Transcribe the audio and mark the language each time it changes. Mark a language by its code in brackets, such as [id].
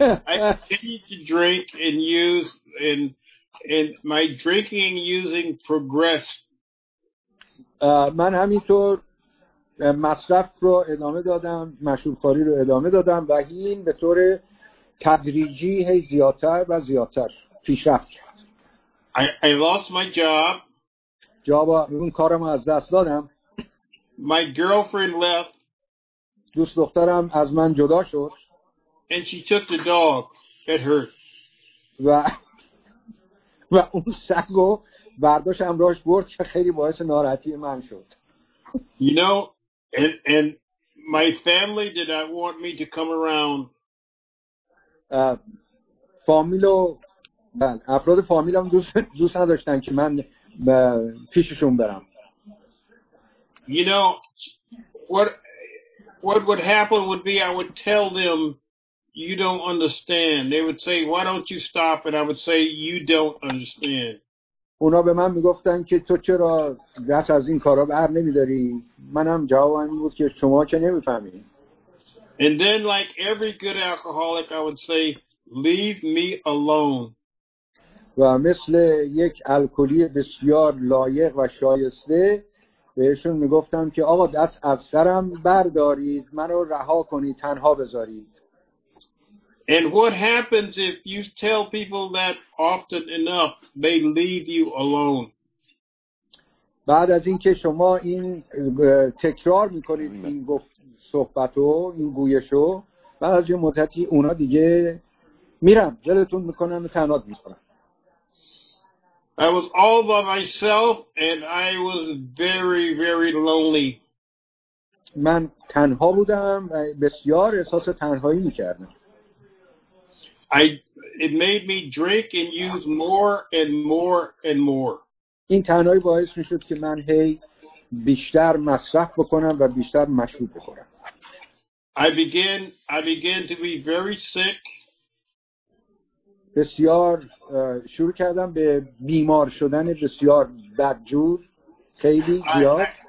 [en] I continued to drink and use, and my drinking and using progressed. [fa] من همینطور مصرف رو ادامه دادم، مشروب‌خوری رو ادامه دادم و این به طور تدریجی هی زیادتر و زیادتر پیشرفت کرد. [en] I lost my job. [fa] جابا اون کارم رو از دست دادم. [en] My girlfriend left. [fa] دوست دخترم از من جدا شد. [en] And she took the dog. It hurt. [fa] و اون سگ رو برداشت همراهش برد که خیلی باعث ناراحتی من شد. [en] You know, and my family did not want me to come around. [fa] فامیل و افراد فامیلم دوست نداشتن که من پیششون برم. [en] You know, what would happen would be I would tell them, you don't understand. They would say, why don't you stop? And I would say, you don't understand. [fa] اونا به من میگفتن که تو چرا دست از این کارا بر نمیداری؟ منم جوابم این بود که شما چه نمیفهمی؟ [en] And then like every good alcoholic I would say, leave me alone. [fa] و مثل یک الکلی بسیار لایق و شایسته بهشون میگفتم که آقا دست از سرم بردارید، منو رها کنید، تنها بذارید. [en] And what happens if you tell people that often enough, they leave you alone. [fa] بعد از اینکه شما این تکرار میکنید این صحبتو، این گویشو، بعد از یه مدتی اونا دیگه میرن، دلتون میکنن و تنها میذارن. [en] I was all by myself and I was very, very lonely. [fa] من تنها بودم و بسیار احساس تنهایی میکردم. [en] It made me drink and use more and more and more. [fa] این تنهایی باعث میشد که من هی بیشتر مصرف بکنم و بیشتر مشروب بخورم. [en] I began to be very sick. [fa] بسیار شروع کردم به بیمار شدن بسیار بدجور، خیلی زیاد.